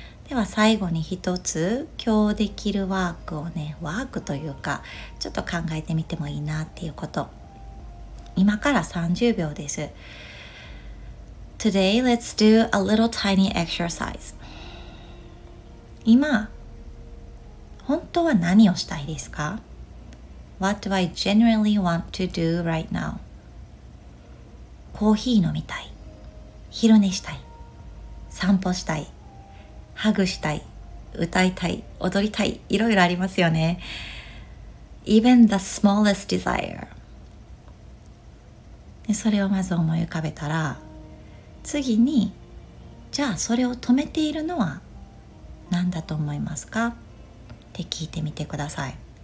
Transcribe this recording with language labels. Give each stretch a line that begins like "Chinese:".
Japanese: では最後に一つ、今日できるワークをね、ワークというかちょっと考えてみてもいいなっていうこと、今から30秒です。
English: Today let's do a little tiny exercise。
Japanese: 今本当は何をしたいですか？
English: What do I genuinely want to do right now?
Japanese: コーヒー飲みたい、昼寝したい、散歩したい、ハグしたい、歌いたい、踊りたい、いろいろありますよね。
English: Even the smallest desire。
Japanese: それをまず思い浮かべたら、次にじゃあそれを止めているのは何だと思いますかって聞いてみてください。